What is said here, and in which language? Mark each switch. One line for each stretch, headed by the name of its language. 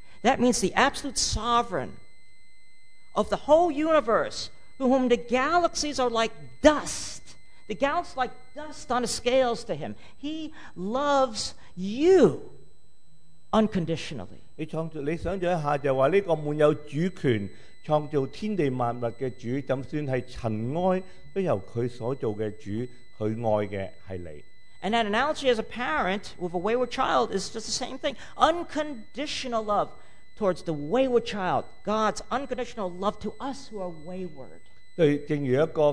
English: That means the absolute sovereign of the whole universe, whom the galaxies are like dust. The galaxies like dust on the scales to him. He loves you unconditionally.
Cantonese: 你想象一下，就话这个满有主权创造天地万物嘅主，就算系尘埃，都由佢所做嘅主，佢爱嘅系你。
English: And that analogy as a parent with a wayward child is just the same thing. Unconditional love towards the wayward child. God's unconditional love to us who are wayward.